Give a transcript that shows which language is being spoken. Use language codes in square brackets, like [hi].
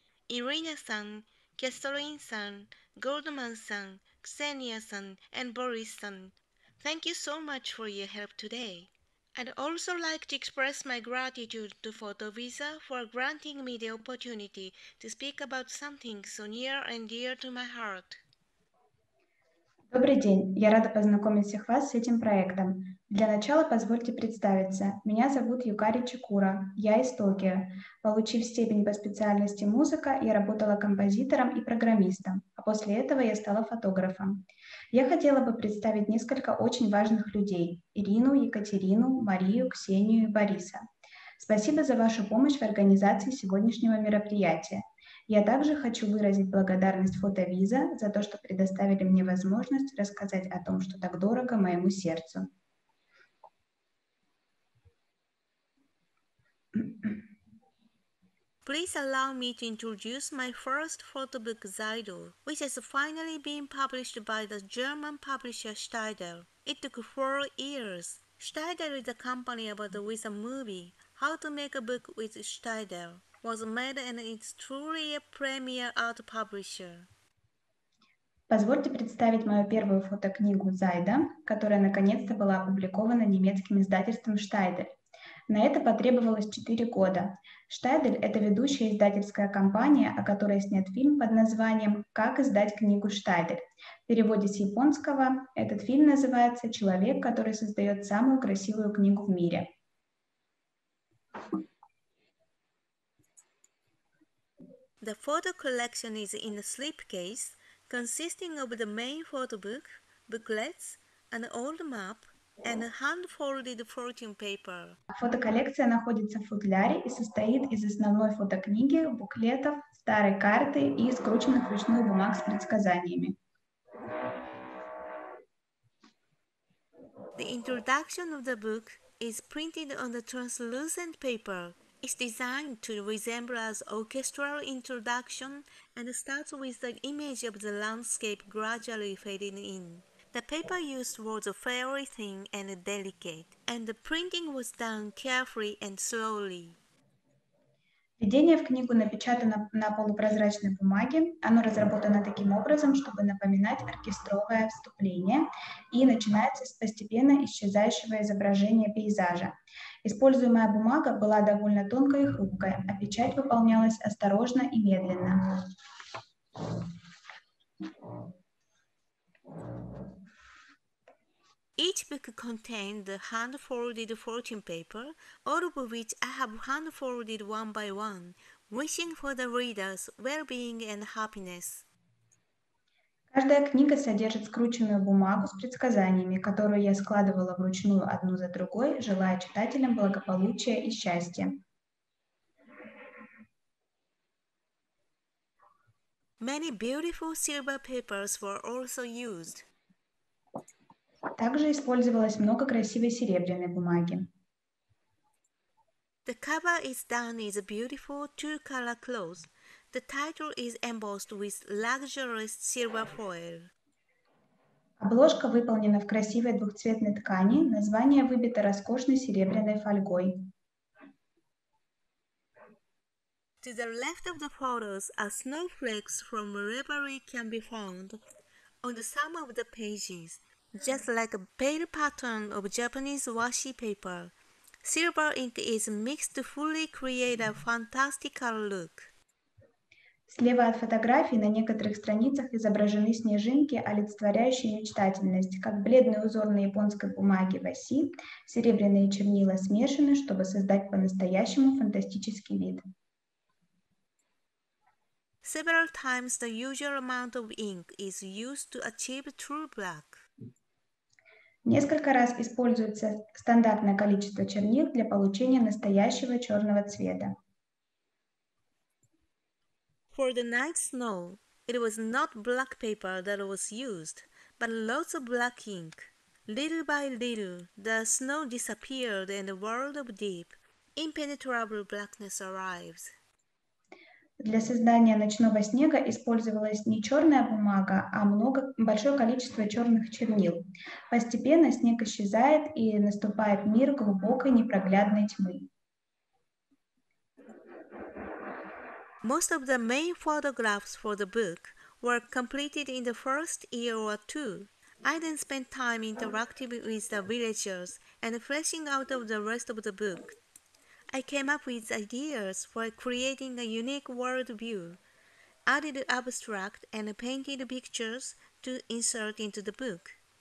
[en] Irina-san, Kestorin-san, Goldman-san, Xenia-san, and Boris-san. Thank you so much for your help today. I'd also like to express my gratitude to PhotoVisa for granting me the opportunity to speak about something so near and dear to my heart. [ru] Добрый день. Я рада познакомить всех вас с этим проектом. Для начала позвольте представиться. Меня зовут Юкари Чикура. Я из Токио. Получив степень по специальности музыка, я работала композитором и программистом, а после этого я стала фотографом. Я хотела бы представить несколько очень важных людей – Ирину, Екатерину, Марию, Ксению и Бориса. Спасибо за вашу помощь в организации сегодняшнего мероприятия. Я также хочу выразить благодарность PhotoVisa за то, что предоставили мне возможность рассказать о том, что так дорого моему сердцу. [en] Please allow me to introduce my first photo book, Zaido, which has finally been published by the German publisher Steidl. It took 4 years. Steidl is a company about the with a movie, How to Make a Book with Steidl. Was made and it's truly a premier art publisher. [ru] Позвольте представить мою первую фотокнигу Зайда, которая наконец-то была опубликована немецким издательством Steidl. На это потребовалось 4 года. Steidl – это ведущая издательская компания, о которой снят фильм под названием «Как издать книгу Steidl». В переводе с японского этот фильм называется «Человек, который создает самую красивую книгу в мире». [en] The The photo collection is in a slipcase consisting of the main photo book, booklets, an old map, and a hand-folded fortune paper. [ru] Фотоколлекция находится в футляре и состоит из основной фотокниги, буклетов, старой карты и скрученных вручную бумаг с предсказаниями. [en] The introduction of the book is printed on the translucent paper. It's designed to resemble an orchestral introduction and starts with the image of the landscape gradually fading in. The paper used was very thin and delicate, and the printing was done carefully and slowly. [ru] Введение в книгу напечатано на полупрозрачной бумаге. Оно разработано таким образом, чтобы напоминать оркестровое вступление и начинается с постепенно исчезающего изображения пейзажа. Используемая бумага была довольно тонкой и хрупкой, а печать выполнялась осторожно и медленно. [en] Each book contained the hand-folded fortune paper, all of which I have hand-folded one by one, wishing for the reader's well-being and happiness. [ru] Каждая книга содержит скрученную бумагу с предсказаниями, которую я складывала вручную одну за другой, желая читателям благополучия и счастья. [en] Many beautiful silver papers were also used. [ru] Также использовалось много красивой серебряной бумаги. [en] The cover is done in a beautiful two-color cloth. The title is embossed with luxurious silver foil. [ru] Обложка выполнена в красивой двухцветной ткани. Название выбито роскошной серебряной фольгой. [en] To the left of the photos are snowflakes from wherever it can be found on the some of the pages. Just like a pale pattern of Japanese washi paper, silver ink is mixed to fully create a fantastical look. [ru] Слева от фотографии на некоторых страницах изображены снежинки, олицетворяющие мечтательность, как бледный узор на японской бумаге васи, серебряные чернила смешаны, чтобы создать по-настоящему фантастический вид. [en] Several times the usual amount of ink is used to achieve true black. [ru] Несколько раз используется стандартное количество чернил для получения настоящего черного цвета. [en] For the night snow, it was not black paper that was used, but lots of black ink. Little by little, the snow disappeared and a world of deep, impenetrable blackness arrived. [ru] Для создания ночного снега использовалась не черная бумага, а большое количество черных чернил. Постепенно снег исчезает, и наступает мир глубокой непроглядной тьмы. [en] Most of the main photographs for the book were completed in the first year or two. I then spent time interacting with the villagers and fleshing out of the rest of the book. I came up with ideas for creating a unique world view, added abstract and painted pictures to insert into the book.